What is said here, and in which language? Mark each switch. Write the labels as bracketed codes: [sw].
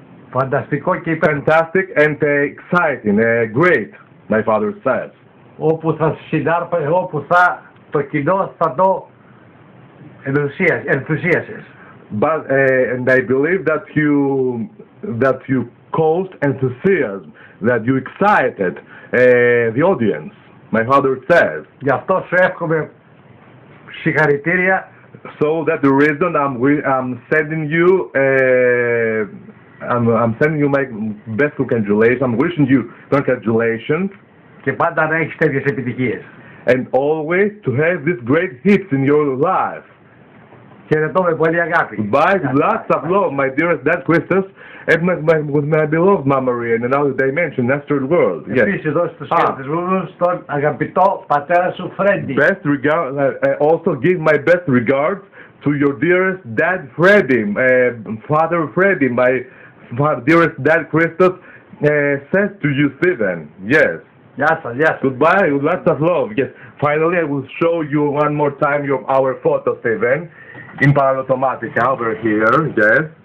[el] Φανταστικό και υπέροχο. [en] Fantastic and exciting, great, my father says. [el] Όπου θα συνάρπαζε, όπου θα το κοινό θα το ενθουσίασες. [en] But and I believe that you caused enthusiasm, that you excited the audience. My father says. [el] Γι' αυτό σου εύχομαι συγχαρητήρια. [en] So that the reason I'm sending you my best congratulations. I'm wishing you congratulations. [el] Και πάντα να έχεις τέτοιες επιτυχίες. [en] And always to have these great hits in your life. [el] Χαιρετώ με πολύ αγάπη. [en] By lots of love, my dearest dad Christos, and with my beloved mama Maria in another dimension, astral world. Yes. [el] Επίσης δώσε τους χαιρετισμούς στον αγαπητό πατέρα σου Freddy. [en] Best regards. Also give my best regards to your dearest dad Freddy, father Freddy, my dearest dad Christos, says to you Steven. Yes. Yes, sir, yes. Goodbye, with lots of love. Yes. Finally, I will show you one more time our photo, Steven, in Paralotomatica over here. Yes.